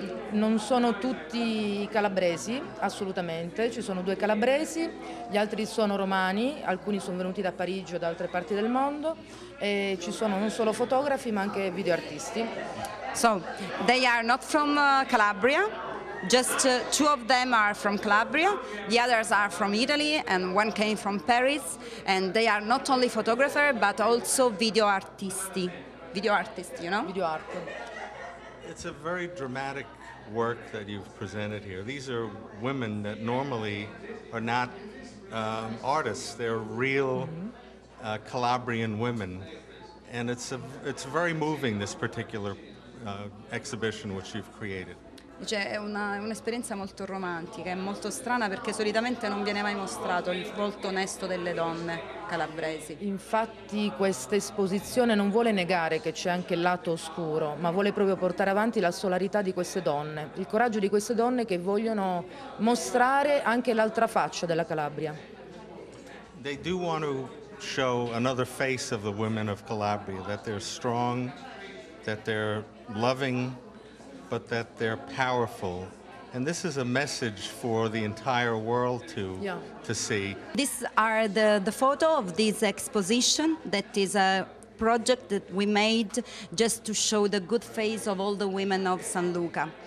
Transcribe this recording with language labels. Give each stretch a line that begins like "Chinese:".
Italian: Non sono tutti calabresi, assolutamente, ci sono due calabresi, gli altri sono romani, alcuni sono venuti da Parigi o da altre parti del mondo, e ci sono non solo fotografi ma anche videoartisti.
English: So, they are not from Calabria, just two of them are from Calabria, the others are from Italy and one came from Paris, and they are not only photographer but also video artists, you know? Video art. It's a very dramatic work that you've presented here. These are women that normally are not artists, they're real Calabrian women, and it's very moving, this particular exhibition which you've created.
Italian: Cioè, è un'esperienza molto romantica, è molto strana perché solitamente non viene mai mostrato il volto onesto delle donne calabresi. Infatti questa esposizione non vuole negare che c'è anche il lato oscuro, ma vuole proprio portare avanti la solarità di queste donne, il coraggio di queste donne che vogliono mostrare anche l'altra faccia della Calabria.
English: They do want to show another face of the women of Calabria, that they're strong, that they're loving, but that they're powerful. And this is a message for the entire world to see. These are the photo of this exposition that is a project that we made just to show the good face of all the women of San Luca.